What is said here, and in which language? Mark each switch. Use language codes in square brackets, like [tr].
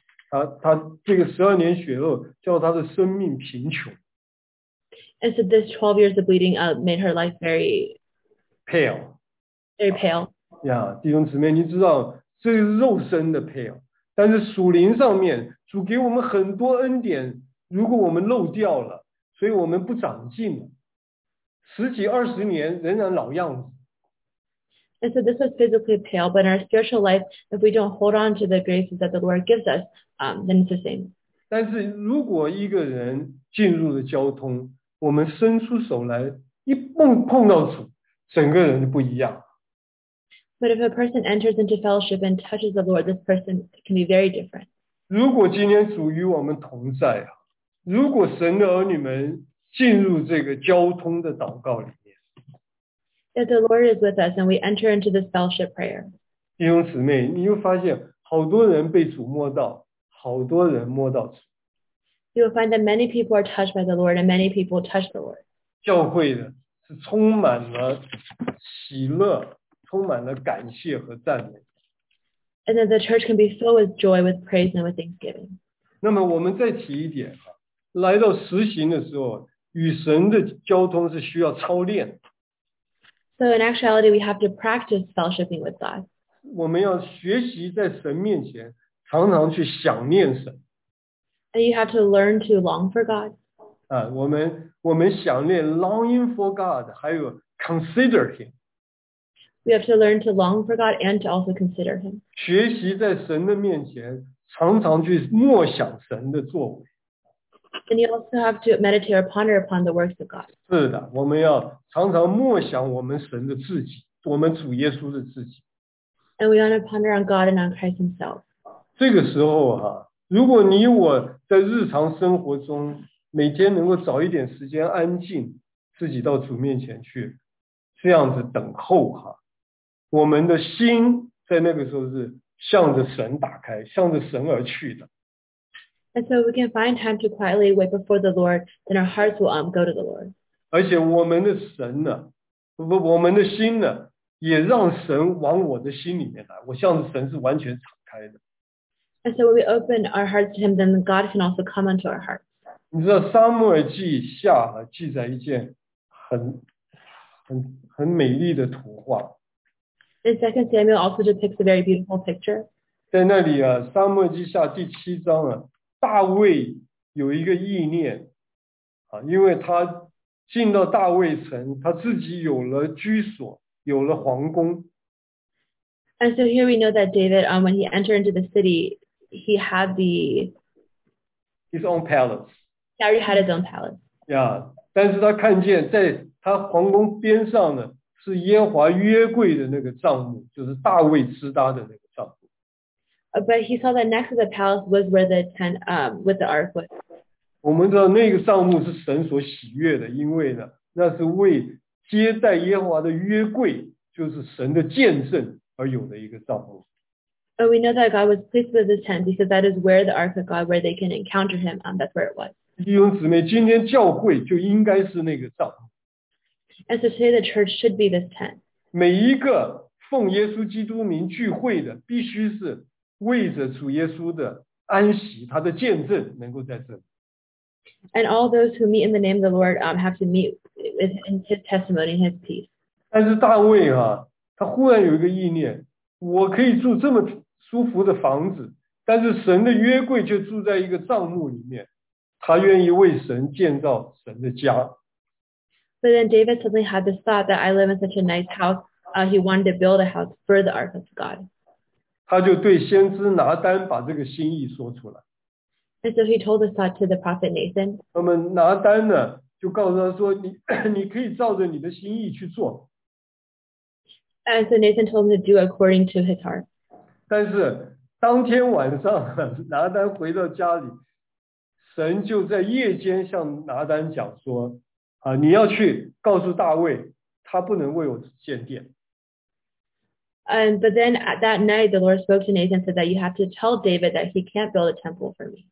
[zh] 她这个12年血漏叫她的生命贫穷。 [en] And so this 12 years of bleeding made her life very pale. Very pale. [zh] Yeah, 弟兄姊妹，你知道这是肉身的 pale， 但是属灵上面主给我们很多恩典，如果我们漏掉了，所以我们不长进了。十几二十年仍然老样子。 [en] And so this was physically pale, but in our spiritual life, if we don't hold on to the graces that the Lord gives us, then it's the same. [zh] 但是如果一个人进入了交通，我们伸出手来，一碰到主，整个人就不一样。 [en] But if a person enters into fellowship and touches the Lord, this person can be very different. [zh] 如果今天主与我们同在啊，如果神的儿女们进入这个交通的祷告里面。 [en] If the Lord is with us and we enter into this fellowship prayer. [zh] 弟兄姊妹，你会发现好多人被主摸到，好多人摸到主。 [en] You will find that many people are touched by the Lord and many people touch the Lord. [zh] 教会呢，是充满了喜乐，充满了感谢和赞美。 [en] And that the church can be filled with joy, with praise, and with thanksgiving. [zh] 那么我们再提一点啊，来到实行的时候，与神的交通是需要操练。 [en] So in actuality, we have to practice fellowshipping with God. [zh] 我们要学习在神面前常常去想念神。 [en] And you have to learn to long for God. [zh] 啊，我们想念 [en] longing for God， [zh] 还有 [en] consider Him。 We have to learn to long for God and to also consider Him. [zh] 学习在神的面前常常去默想神的作为。 [en] And you also have to meditate or ponder upon the works of God. [zh] 是的，我们要常常默想我们神的自己，我们主耶稣的自己。 [en] And we want to ponder on God and on Christ Himself. [zh] 这个时候啊，如果你我在日常生活中每天能够找一点时间安静，自己到主面前去，这样子等候哈，我们的心在那个时候是向着神打开，向着神而去的。 [en] And so we can find time to quietly wait before the Lord, then our hearts will go to the Lord. [zh] 而且我们的神呢，我们的心呢，也让神往我的心里面来。我向着神是完全敞开的。 [en] And so when we open our hearts to Him, then God can also come into our hearts. [zh] 你知道撒母耳记下记载一件很美丽的图画。 [en] And 2 Samuel also depicts a very beautiful picture. [zh] 在那里啊，撒母耳记下第七章啊。大卫有一个意念，因为他进到大卫城，他自己有了居所，有了皇宫。 [en] And so here we know that David, when he entered into the city, he had the his own palace. He already had his own palace. [zh] Yeah, 但是他看见在他皇宫边上的是耶和华约柜的那个帐幕，就是大卫支搭的那个。 [en] But he saw that next to the palace was where the tent with the ark was. [zh] 我们知道那个帐幕是神所喜悦的，因为呢，那是为接待耶和华的约柜，就是神的见证而有的一个帐幕。 [en] But we know that God was pleased with this tent because that is where the ark of God, where they can encounter Him, that's where it was. [zh] 弟兄姊妹，今天教会就应该是那个帐幕。 [en] And so today the church should be this tent. [zh] 每一个奉耶稣基督名聚会的，必须是。为着主耶稣的安息，他的见证能够在这里。 [en] And all those who meet in the name of the Lord have to meet with His testimony, His peace. [zh] 但是大卫啊，他忽然有一个意念：我可以住这么舒服的房子，但是神的约柜却住在一个帐幕里面。他愿意为神建造神的家。 [en] But then David suddenly had this thought that I live in such a nice house. He wanted to build a house for the ark of God. [zh] 他就对先知拿单把这个心意说出来。 [en] And so he told us that to the prophet Nathan. [zh] 那么拿单呢，就告诉他说，你可以照着你的心意去做。 [en] And so Nathan told him to do according to his heart. [zh] 但是当天晚上，拿单回到家里，神就在夜间向拿单讲说，啊，你要去告诉大卫，他不能为我建殿。 [en] But then at that night, the Lord spoke to Nathan and said that you have to tell David that he can't build a temple for me.